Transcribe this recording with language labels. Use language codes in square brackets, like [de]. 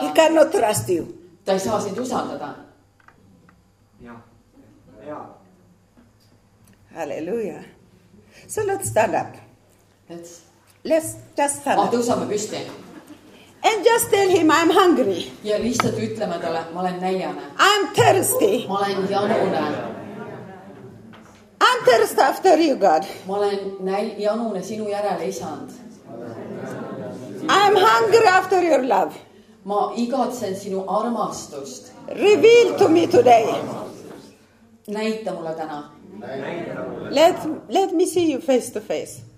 [en] He cannot trust you. [et] Ta ei saa sind usaldada. Ja. [en] Hallelujah. So let's stand up. Let's just stand up. [et] Ah, tõusame püsti. [en] And just tell him I'm hungry. [et] Ja lihtsalt ütleme talle, ma olen näljane. [en] I'm thirsty. [et] Ma olen janune. [en] I'm thirsty after you, God. [et] Ma olen janune sinu järele isand. [en] I'm hungry after your love. [et] Ma igatsen sinu armastust. [en] Reveal to me today. [et] Näita mulle täna. [en] Let me see you face to face.